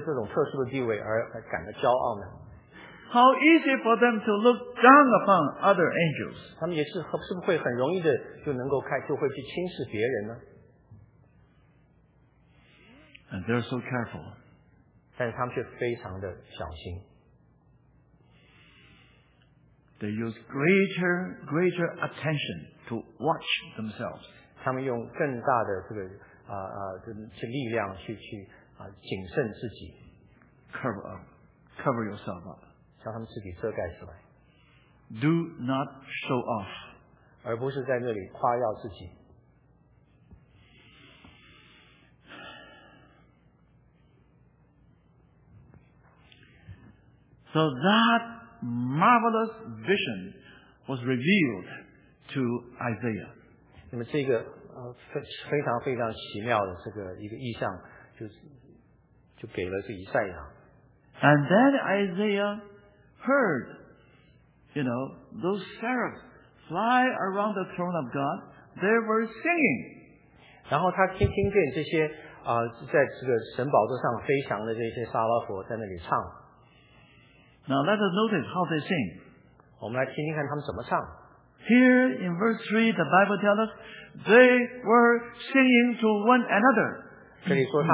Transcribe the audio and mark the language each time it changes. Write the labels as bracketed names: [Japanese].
[Chinese] 你可以想想看，这是不是很容易的就能够因着这种特殊的地位而感到骄傲呢？ [English] How easy for them to look down upon other angels? [Chinese] 他们也是会很容易的就能够去轻视别人呢？ [English] And they're so careful. [Chinese] 但是他们却非常的小心。 [English] They use greater attention to watch themselves. [Chinese] 他们用更大的力量去谨慎自己。 [English] Cover yourself up. [Chinese] 将他们自己遮盖起来。 [English] Do not show off. [Chinese] 而不是在那里夸耀自己。 [English] So that marvelous vision was revealed to Isaiah. [Chinese] 那么这个非常非常奇妙的这个一个意象，就给了这以赛亚。 [English] And then Isaiah heard, you know, those seraphs fly around the throne of God. They were singing. [Chinese] 然后他听见这些在这个神宝座上飞翔的这些撒拉佛在那里唱。 [English] Now let us notice how they sing. [Chinese] 我们来听听看他们怎么唱。 [English] Here in verse 3, the Bible tells us they were singing to one another.